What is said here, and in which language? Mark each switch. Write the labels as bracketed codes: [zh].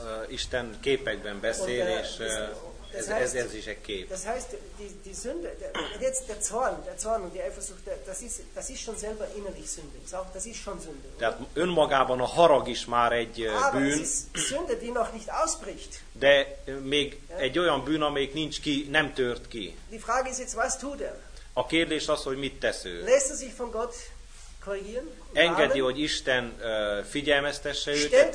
[hu] Isten képekben beszél, és ez is egy kép. [de] Das heißt, die Sünde, jetzt der Zorn und die Eifersucht, das ist schon selber innerlich Sünde. Das ist schon Sünde. [hu] Tehát önmagában a harag is már egy bűn. [de] Aber es ist Sünde, die noch nicht ausbricht. [hu] De még egy olyan bűn, amelyik nincs ki, nem tört ki. [de] Die Frage ist jetzt, was tut er? [hu] A kérdés az, hogy mit tesz ő. [de] Lässt er sich von Gott korrigieren? [hu] Engedi, hogy Isten figyelmeztesse őt,